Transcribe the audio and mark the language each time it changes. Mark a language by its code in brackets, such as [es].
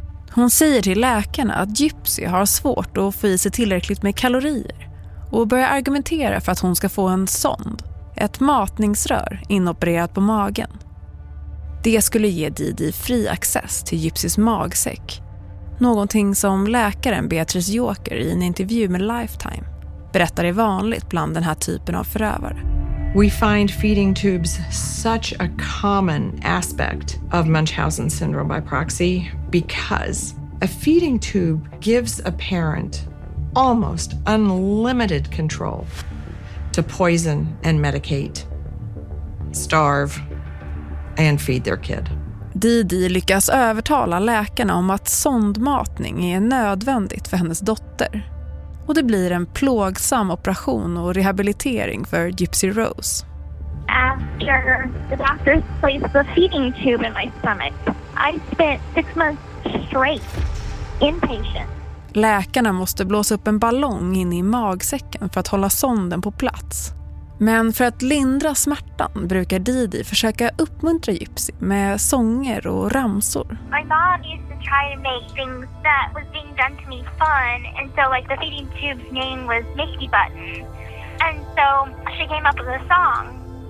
[sv] Hon säger till läkarna att Gypsy har svårt att få i sig tillräckligt med kalorier och börjar argumentera för att hon ska få en sond, ett matningsrör inopererat på magen. Det skulle ge Didi fri access till Gypsys magsäck. Någonting som läkaren Beatrice Joker i en intervju med Lifetime berättar är vanligt bland den här typen av förövare. [en] We find feeding tubes such a common aspect of Munchausen syndrome by proxy because a feeding tube gives a parent almost unlimited control to poison and medicate, starve, and feed their kid. [sv] Didi lyckas övertala läkarna om att sondmatning är nödvändigt för hennes dotter. Och det blir en plågsam operation och rehabilitering för Gypsy Rose. [en] After the doctor placed the feeding tube in my stomach, I spent 6 months straight inpatient. [sv] Läkarna måste blåsa upp en ballong in i magsäcken för att hålla sonden på plats. Men för att lindra smärtan brukar Didi försöka uppmuntra Gypsy med sånger och ramsor. [en] My mom used to try to make things that was being done to me fun. And so like the feeding tube's name was Nicky Butt. And so she came up with a song.